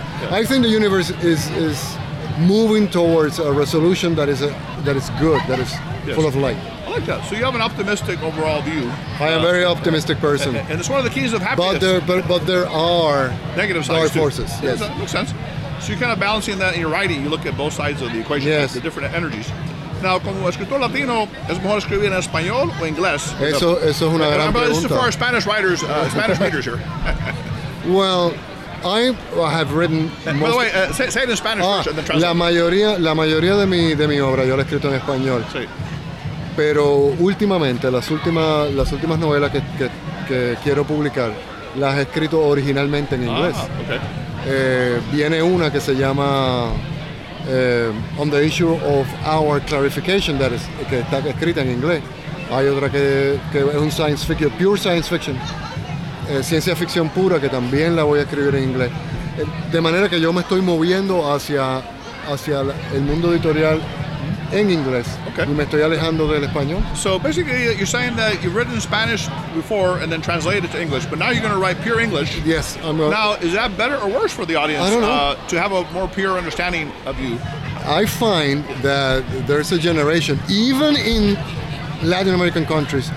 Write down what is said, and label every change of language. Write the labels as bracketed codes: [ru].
[en] I think the universe is moving towards a resolution that is good, that is full of light. I like that. So you have an optimistic overall view. I am a very optimistic person. And it's one of the keys of happiness. But there are negative sides, dark forces. Yes. That makes sense. So you're kind of balancing that in your writing. You look at both sides of the equation, yes, the different energies. [es] Now, como escritor latino, ¿es mejor escribir en español o inglés? Eso es una gran pregunta. [en] This is for our Spanish writers, Spanish readers here. Well, I have written most... By the way, say it in Spanish first, and then translate. [es] La mayoría de mi obra yo la he escrito en español. Sí. Pero últimamente, las últimas novelas que quiero publicar, las he escrito originalmente en inglés. [en] Ah, okay. [es] Viene una que se llama On the Issue of Our Clarification, [en] that is, [es] que está escrita en inglés. Hay otra que es un [en] science fiction, pure science fiction, [es] ciencia ficción pura, que también la voy a escribir en inglés. De manera que yo me estoy moviendo hacia el mundo editorial en inglés. [en] Okay. [es] Y me estoy alejando del español. [en] So basically you're saying that you've written in Spanish before and then translated it to English, but now you're going to write pure English. Yes. Now, is that better or worse for the audience? I don't know. To have a more pure understanding of you? I find that there's a generation, even in Latin American countries,